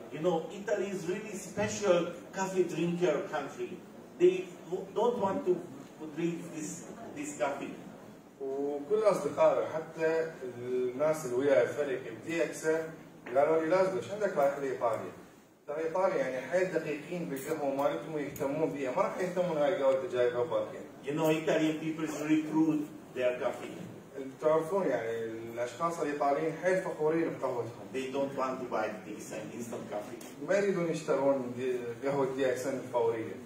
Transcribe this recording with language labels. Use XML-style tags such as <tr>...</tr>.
<en>You know, Italy is really special coffee drinker country. They don't want to drink this coffee.</en> <ar>وكل أصدقائي حتى الناس اللي وياي فريق DXM قالوا لي لازم ليش عندك رايح لإيطاليا؟ ترى إيطاليا يعني حيل دقيقين بالقهوة مالتهم ويهتمون فيها ما راح يهتمون هاي القهوة اللي جايبها باكر.</ar> <en>You know Italian people really prove their coffee.</en> <ar>بتعرفون يعني الأشخاص الإيطاليين حيل فخورين بقهوتهم.</ar> <en>They don't want to buy DXM instant coffee.</en> <ar>ما يريدون يشترون قهوة DXM الفورية.</ar>